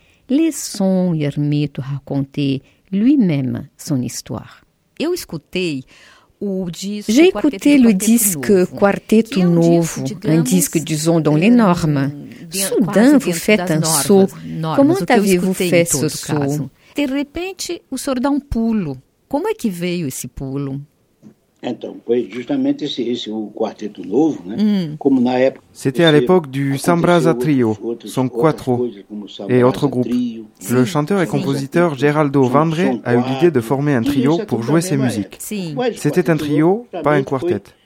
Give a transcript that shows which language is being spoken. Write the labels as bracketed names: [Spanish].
[French] Laissons Hermite raconter lui-même son histoire. J'ai écouté le disque Quarteto Novo, un disque, disons, dans les normes. Soudain, vous faites un saut. Comment avez-vous fait ce saut? [Portuguese] De repente, o senhor dá um pulo. Como é que veio esse pulo? Então, foi justamente esse o Quarteto Novo, né? Como na época. [French] C'était à l'époque du Sambraza Trio, son quattro, et autres groupes. Le chanteur et compositeur Geraldo Vandré a eu l'idée de former un trio pour jouer ses musiques. C'était un trio, pas un quartet.